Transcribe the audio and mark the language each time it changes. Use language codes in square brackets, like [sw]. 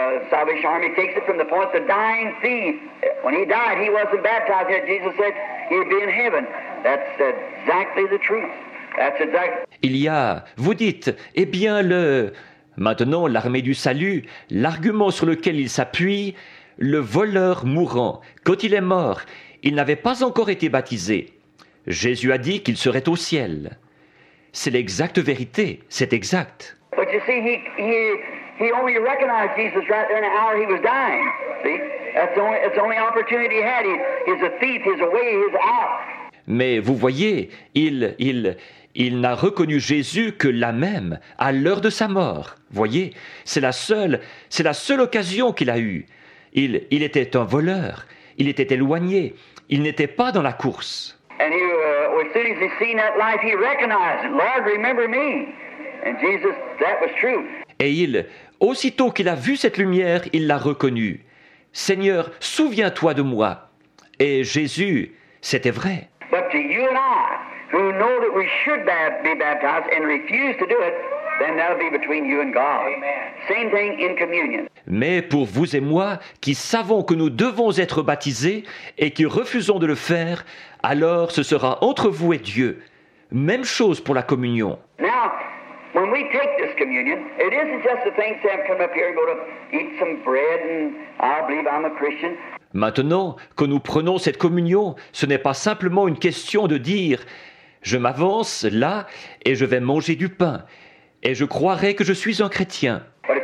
[en] Salvation Army takes it from the point the dying thief, when he died, he wasn't baptized yet. Jesus said he'd be in heaven. That's exactly the truth. That's exactly. [fr] Il y a, vous dites, eh bien le, maintenant l'armée du salut, l'argument sur lequel il s'appuie, le voleur mourant, quand il est mort, il n'avait pas encore été baptisé. Jésus a dit qu'il serait au ciel. C'est l'exacte vérité, c'est exact. [en] But you see, he only recognized Jesus right there in the hour he was dying. See? That's the only opportunity he had. He's a thief, he's away, he's out. [fr] Mais vous voyez, il n'a reconnu Jésus que là même, à l'heure de sa mort. Voyez, c'est la seule occasion qu'il a eue. Il était un voleur, il était éloigné, il n'était pas dans la course. [en] And he, as soon as he seen that life, he recognized, Lord, remember me. And Jesus, that was true. [fr] Et il, aussitôt qu'il a vu cette lumière, il l'a reconnue. Seigneur, souviens-toi de moi. Et Jésus, c'était vrai. [en] But to you and I, who know that we should be baptized and refuse to do it, then that'll be between you and God. Amen. Same thing in communion. [fr] Mais pour vous et moi, qui savons que nous devons être baptisés et qui refusons de le faire, alors ce sera entre vous et Dieu. Même chose pour la communion. [en] Now, when we take this communion, it isn't just the thing, Sam, come up here and go to eat some bread and I believe I'm a Christian. [fr] Maintenant que nous prenons cette communion, ce n'est pas simplement une question de dire « Je m'avance là et je vais manger du pain et je croirai que je suis un chrétien. »